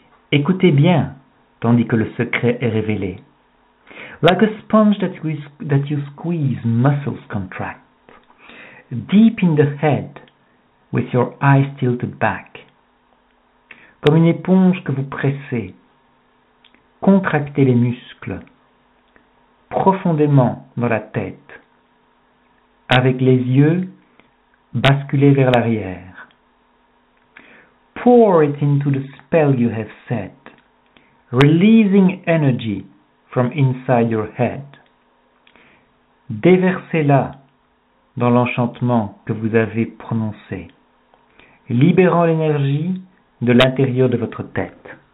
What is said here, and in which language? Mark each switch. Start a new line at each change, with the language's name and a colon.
French: Écoutez bien, tandis que le secret est révélé.
English: Like a sponge that you squeeze, muscles contract. Deep in the head, with your eyes tilted back.
French: Comme une éponge que vous pressez. Contractez les muscles. Profondément dans la tête. Avec les yeux, basculez vers l'arrière.
English: Pour it into the spell you have set, releasing energy from inside your head.
French: Déversez-la dans l'enchantement que vous avez prononcé, libérant l'énergie de l'intérieur de votre tête.